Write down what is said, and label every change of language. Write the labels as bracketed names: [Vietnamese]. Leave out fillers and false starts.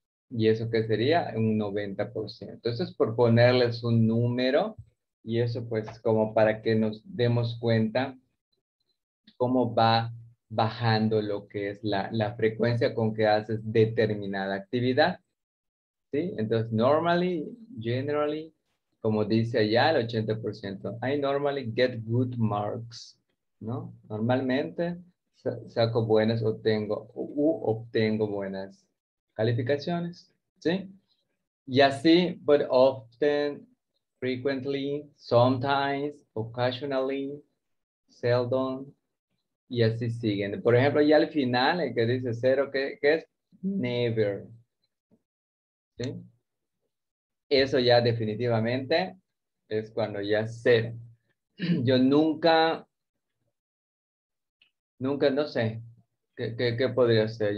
[Spanish] Y eso que sería un 90%. Entonces, por ponerles un número, y eso pues como para que nos demos cuenta cómo va bajando lo que es la frecuencia con que haces determinada actividad. ¿Sí? [English] Entonces, normally, generally, [Spanish] como dice allá el 80%, [English] I normally get good marks, ¿no? [Spanish] Normalmente saco buenas o tengo u obtengo buenas calificaciones, ¿sí? Y así, [English] but often, frequently, sometimes, occasionally, seldom. [Spanish] Y así siguen. Por ejemplo, ya al final, el que dice cero, ¿qué es? Never. ¿Sí? Eso ya definitivamente es cuando ya es cero. Yo nunca, nunca, no sé, ¿qué podría ser?